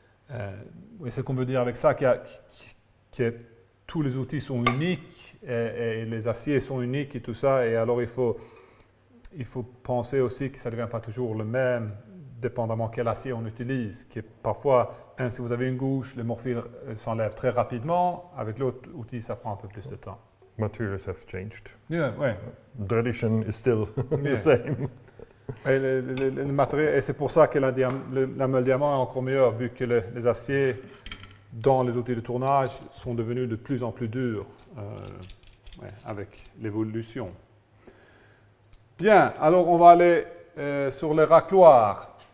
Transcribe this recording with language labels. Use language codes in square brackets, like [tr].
[fr] Et ce qu'on veut dire avec ça, que tous les outils sont uniques et les aciers sont uniques et tout ça. Et alors, il faut penser aussi que ça ne devient pas toujours le même. Dépendamment quel acier on utilise, que parfois, même si vous avez une gauche, le morphile s'enlève très rapidement. Avec l'autre outil, ça prend un peu plus de temps. [en] Materials have changed. Yeah, ouais. Tradition is still the same. [fr] Et le matériel, et c'est pour ça que le diamant est encore meilleur, vu que les aciers dans les outils de tournage sont devenus de plus en plus durs ouais, avec l'évolution. Bien, alors on va aller sur les racloirs.